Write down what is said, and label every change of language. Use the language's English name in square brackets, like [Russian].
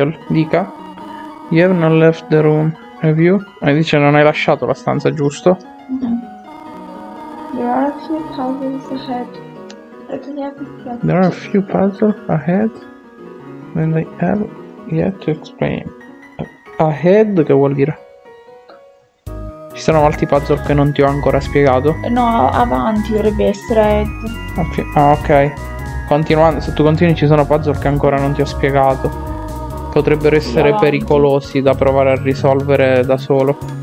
[English] Dica, you have not left the room, have you? [Italian] E dice non hai lasciato la stanza, giusto? [English] There are a few puzzles ahead. There are a few puzzles ahead and they have yet to explain. [Italian] Ahead, che vuol dire? Ci sono molti puzzle che non ti ho ancora spiegato? No, avanti dovrebbe essere. Ah, ok. Continuando, se tu continui ci sono puzzle che ancora non ti ho spiegato. Potrebbero Sì, essere avanti. pericolosi da provare a risolvere da solo.